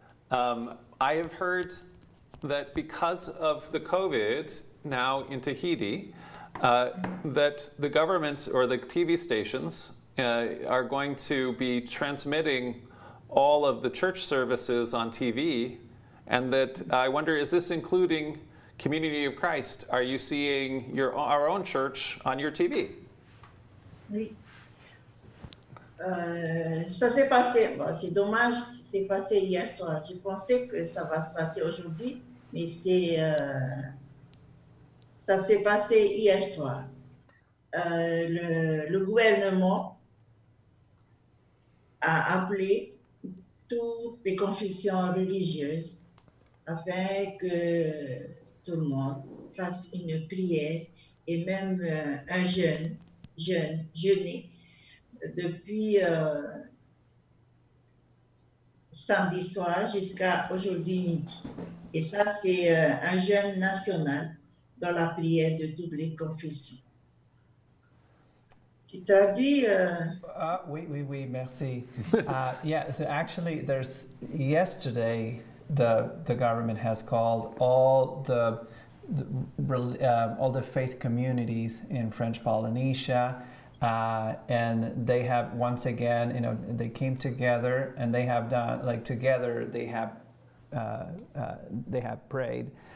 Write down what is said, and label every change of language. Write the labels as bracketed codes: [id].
[en] I have heard that because of the COVID now in Tahiti, that the government or the TV stations are going to be transmitting all of the church services on TV, and that I wonder, is this including Community of Christ, are you seeing our own church on your TV? [fr] Ça s'est passé, bon, c'est dommage, c'est passé hier soir. Je pensais que ça va se passer aujourd'hui, mais ça s'est passé hier soir. Le gouvernement a appelé toutes les confessions religieuses afin que tout le monde fasse une prière et même un jeûner. Depuis samedi soir jusqu'à aujourd'hui midi. Et ça, c'est un jeûne national dans la prière de toutes les confessions. Tu traduis? Oui, merci. [en] So actually, there's yesterday, the government has called all the faith communities in French Polynesia. And they have once again, you know, they came together and they have done, like, together they have prayed.